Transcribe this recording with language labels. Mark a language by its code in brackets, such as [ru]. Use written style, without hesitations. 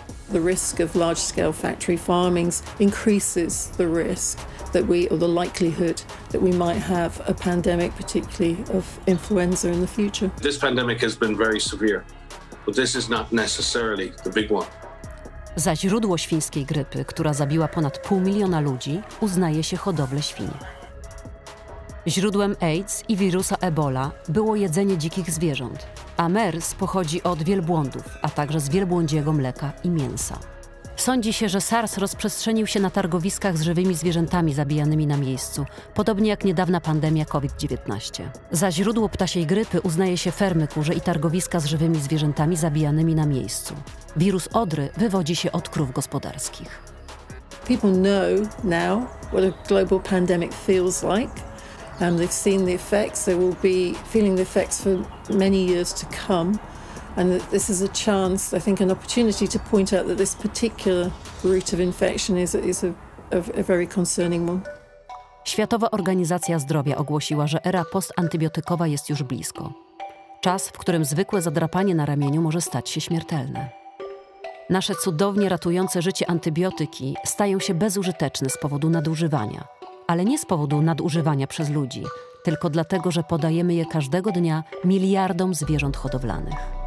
[en] The risk of large-scale factory farmings increases the risk that we, or the likelihood that we might have a pandemic, particularly of influenza in the future. This pandemic has been very severe, but this is not necessarily the big one. [pl] Za źródło świńskiej grypy, która zabiła ponad pół miliona ludzi, uznaje się hodowlę świń. Źródłem AIDS i wirusa Ebola było jedzenie dzikich zwierząt, a MERS pochodzi od wielbłądów, a także z wielbłądziego mleka i mięsa. Sądzi się, że SARS rozprzestrzenił się na targowiskach z żywymi zwierzętami zabijanymi na miejscu, podobnie jak niedawna pandemia COVID-19. Za źródło ptasiej grypy uznaje się fermy kurze i targowiska z żywymi zwierzętami zabijanymi na miejscu. Wirus odry wywodzi się od krów gospodarskich. [en] People know now what a global pandemic feels like. They've seen the effects. They will be feeling the effects for many years to come. And this is a chance, I think, an opportunity to point out that this particular route of infection is a very concerning one. [pl] Światowa Organizacja Zdrowia ogłosiła, że era postantybiotykowa jest już blisko. Czas, w którym zwykłe zadrapanie na ramieniu może stać się śmiertelne. Nasze cudownie ratujące życie antybiotyki stają się bezużyteczne z powodu nadużywania. Ale nie z powodu nadużywania przez ludzi, tylko dlatego, że podajemy je każdego dnia miliardom zwierząt hodowlanych.